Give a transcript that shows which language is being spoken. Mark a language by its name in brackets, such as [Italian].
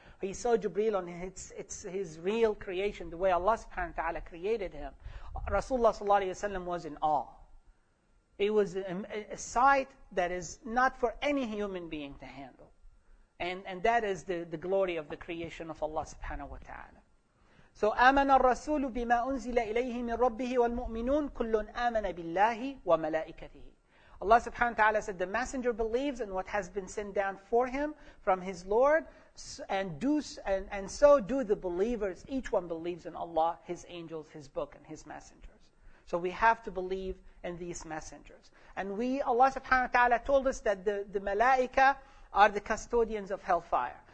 [English] He saw Jibreel on it's his real creation, the way Allah subhanahu wa ta'ala created him. Rasulullah sallallahu alayhi wa sallam was in awe. It was a sight that is not for any human being to handle. And that is the glory of the creation of Allah subhanahu wa ta'ala. [Arabic] So, آمن الرسول بما أنزل إليه من ربه والمؤمنون كل آمن بالله وملائكته. [English] Allah subhanahu wa ta'ala said, the messenger believes in what has been sent down for him from his Lord, and so do the believers. Each one believes in Allah, his angels, his book, and his messengers. So we have to believe in these messengers. And Allah subhanahu wa ta'ala told us that the malaika are the custodians of hellfire.